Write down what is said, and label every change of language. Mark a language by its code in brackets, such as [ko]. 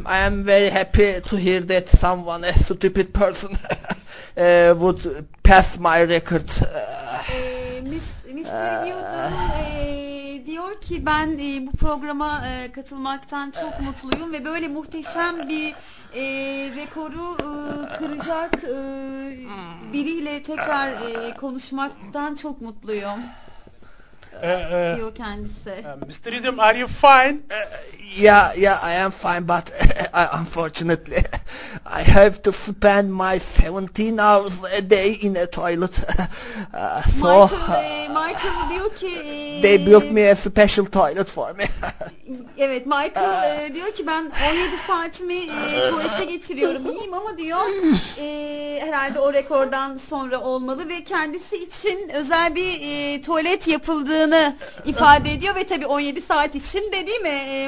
[en] I am very happy to hear that someone, a stupid person, would pass my record. [tr] Mr. Yudum diyor ki ben bu programa katılmaktan çok mutluyum ve böyle muhteşem bir rekoru kıracak biriyle tekrar konuşmaktan çok mutluyum. Diyor kendisi. [en] Mr. Yudum, are you fine? Yeah, I am fine, but unfortunately I have to spend my 17 hours a day in a toilet. [tr] Michael diyor ki [en] they built me a special toilet for me. [tr] Evet, Michael diyor ki ben 17 saatimi tuvalete geçiriyorum. İyiyim ama diyor herhalde o rekordan sonra olmalı ve kendisi için özel bir tuvalet yapıldığını ifade ediyor ve tabii 17 saat için de değil mi?